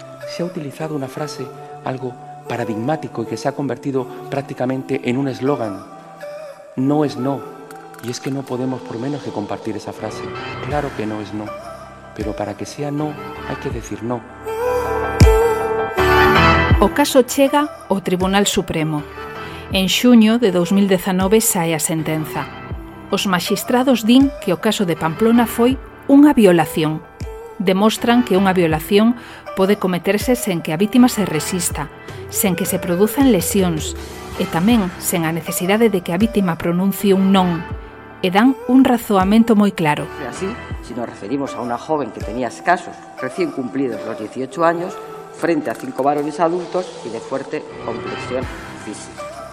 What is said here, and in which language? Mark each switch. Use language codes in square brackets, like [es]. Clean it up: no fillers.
[es] Se ha utilizado una frase algo paradigmático y que se ha convertido prácticamente en un eslogan. No es no. Y es que no podemos por menos que compartir esa frase. Claro que no es no. Pero para que sea no, hay que decir no. [gl] O caso chega ao Tribunal Supremo. En xuño de 2019 sae a sentenza. Os magistrados din que o caso de Pamplona foi unha violación. Demostran que unha violación pode cometerse sen que a vítima se resista, sen que se produzan lesións e tamén sen a necesidade de que a vítima pronuncie un non, e dan un razoamento moi claro. E así, se nos referimos a unha [es] joven que tenía escasos, recién cumplidos los 18 años, frente a 5 varones adultos y de fuerte complexión física.